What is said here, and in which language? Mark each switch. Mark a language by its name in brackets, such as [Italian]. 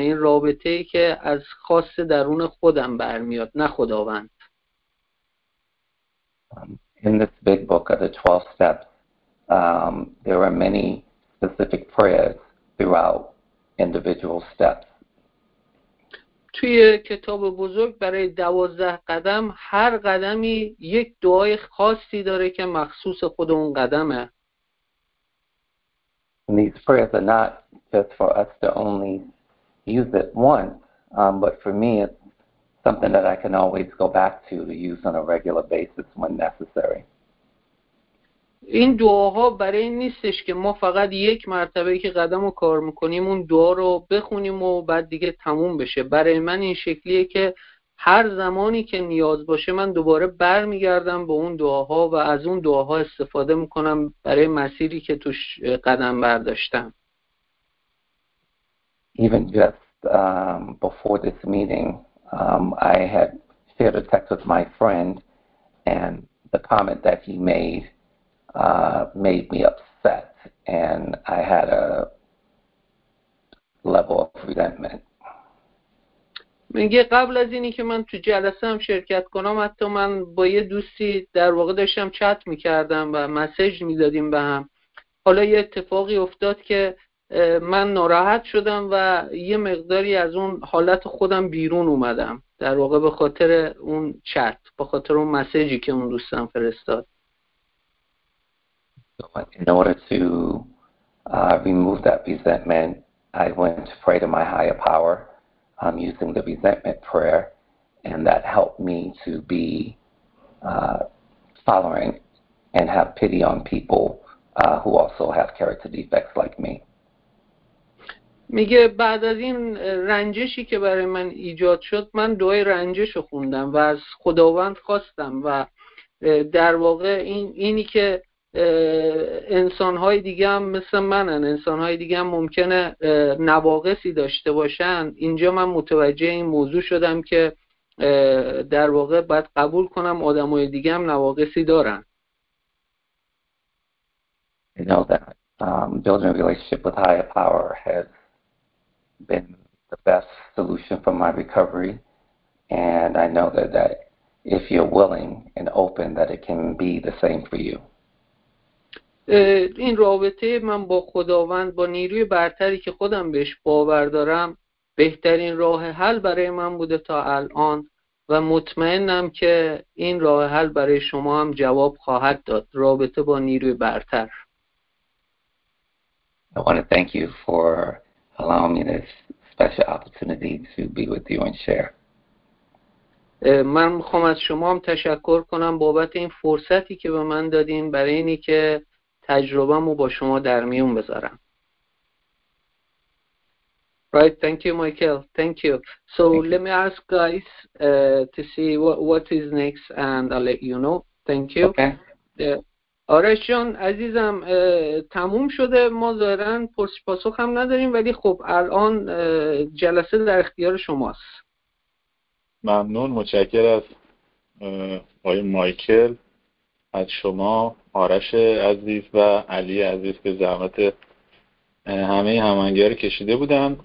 [Persian] این رابطه‌ای که از خاص درون خودم برمیاد نه خداوند. [English] In this big book of the 12 steps, there are many specific prayers throughout individual steps. [Persian] توی کتاب بزرگ برای 12 قدم هر قدمی یک دعای خاصی داره که مخصوص خود اون قدمه. [English] And these prayers are not just for us to only use it once, but for me it's something that I can always go back to use on a regular basis when necessary. [Persian] این دعاها برای این نیستش که ما فقط یک مرتبه که قدم رو کار میکنیم اون دعا رو بخونیم و بعد دیگه تموم بشه. برای من این شکلیه که هر زمانی که نیاز باشه من دوباره بر میگردم به اون دعاها و از اون دعاها استفاده میکنم برای مسیری که توش قدم برداشتم. [English] Even just before this meeting, I had shared a text with my friend and the comment that he made made me upset and I had a level of resentment. [Persian] میگه قبل از اینی که من تو جلسه هم شرکت کنم حتی من با یه دوستی در واقع داشتم چت میکردم و مسیج میدادیم به هم. حالا یه اتفاقی افتاد که من ناراحت شدم و یه مقداری از اون حالت خودم بیرون اومدم در واقع به خاطر اون چت، به خاطر اون مسیجی که اون دوستم فرستاد. [English] In order to remove that resentment, I went to pray to my higher power using the resentment prayer, and that helped me to be tolerant and have pity on people who also have character defects like me. [Persian] میگه بعد از این رنجشی که برای من ایجاد شد من دعای رنجش رو خوندم و از خداوند خواستم و در واقع اینی که انسان‌های دیگه هم مثل منن، انسان‌های دیگه هم ممکنه نواقصی داشته باشن، اینجا من متوجه این موضوع شدم که در واقع باید قبول کنم آدم‌های دیگه هم نواقصی دارن. [English] I know that building a relationship with higher power has been the best solution for my recovery, and I know that if you're willing and open that it can be the same for you. [Persian] این رابطه من با خداوند با نیروی برتری که خودم بهش باور دارم بهترین راه حل برای من بوده تا الان و و مطمئنم که این راه حل برای شما هم جواب خواهد داد، رابطه با نیروی برتر. [English] I want to thank you for allowing me this special opportunity to be with you and share. [Persian] من میخوام از شما هم تشکر کنم بابت این فرصتی که به من دادین برای اینی که تجربه‌مو با شما در میون بذارم. [English] Right, thank you, Michael. Thank you. So thank let you. Me ask guys to see what is next, and I'll let you know. Thank you. Okay. [Persian] آرش جان عزیزم، تموم شده. ما ظاهراً پاسخ هم نداریم، ولی خب الان جلسه در اختیار شماست. ممنون، متشکر از آقای مایکل، از شما آرش عزیز و علی عزیز که زحمت همه هماهنگی‌ها رو کشیده بودن.